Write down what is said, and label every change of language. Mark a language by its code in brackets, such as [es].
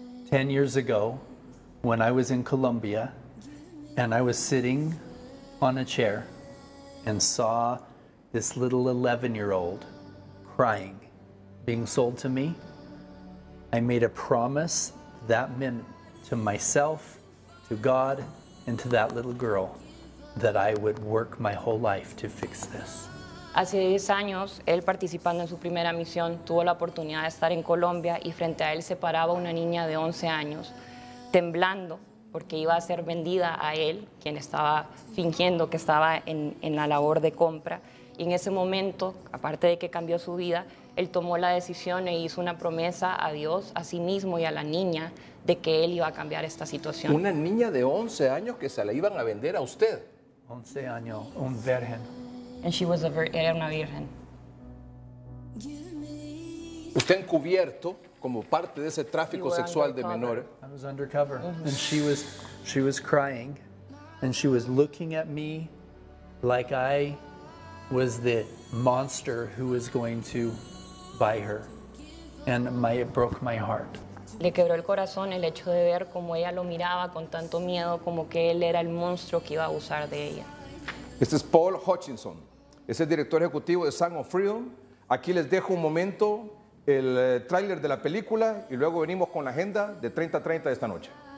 [en] 10 years ago, when I was in Colombia, and I was sitting on a chair and saw this little 11-year-old crying, being sold to me, I made a promise that meant to myself, to God, and to that little girl, that I would work my whole life to fix this. [es] Hace 10 años, él participando en su primera misión, tuvo la oportunidad de estar en Colombia y frente a él se paraba una niña de 11 años, temblando porque iba a ser vendida a él, quien estaba fingiendo que estaba en la labor de compra. Y en ese momento, aparte de que cambió su vida, él tomó la decisión e hizo una promesa a Dios, a sí mismo y a la niña, de que él iba a cambiar esta situación. Una niña de 11 años que se la iban a vender a usted. 11 años, un virgen. [en] And she was a [es] era una virgen. Usted encubierto como parte de ese tráfico sexual de menores. [en] I was undercover. Mm-hmm. And she was crying and she was looking at me like I was the monster who was going to buy her. And it broke my heart. [es] Le quebró el corazón el hecho de ver como ella lo miraba con tanto miedo, como que él era el monstruo que iba a abusar de ella. Este es Paul Hutchinson. Es el director ejecutivo de Sound of Freedom. Aquí les dejo un momento el tráiler de la película y luego venimos con la agenda de 30-30 de esta noche.